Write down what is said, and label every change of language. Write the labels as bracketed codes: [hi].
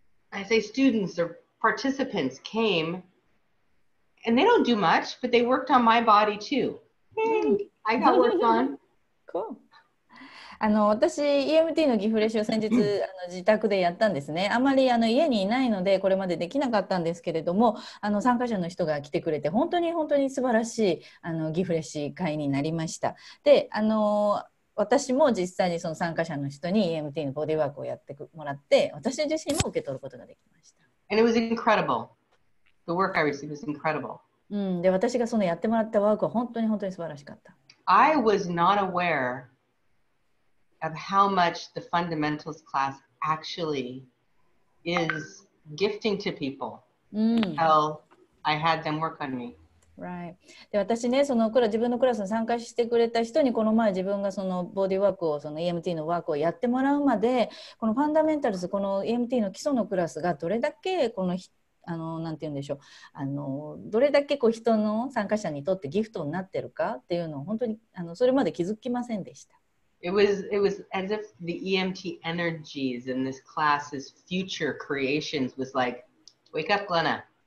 [en] I say students or participants came. And they don't do much, but they worked on my body too. Hey, I got work on. Cool. [ja] 私 EMT のギフレッシュを先日自宅でやったんですね。あまり家にいないのでこれまでできなかったんですけれども、参加者の人が来てくれて本当に本当に素晴らしいギフレッシュ会になりました。で、私も実際にその参加者の人に EMT のボディワークをやってもらって、私自身も受け取ることができました。 [en] And it was incredible. The work I received was incredible. [ja] で、私がそのやってもらったワークは本当に本当に素晴らしかった。 [en] I was not aware of how much the fundamentals class actually is gifting to people until I had them work on me. Right. [ja] で、私ね、その自分のクラスに参加してくれた人にこの前自分がそのボディワークを、その EMT のワークをやってもらうまで、このファンダメンタルズ、この EMT の基礎のクラスがどれだけこの人なんて言うんでしょう、どれだけこう人の参加者にとってギフトになってるかっていうのを本当にそれまで気づきませんでした。 [en] It was as if the EMT energies in this class's future creations was like, wake up, Glenna.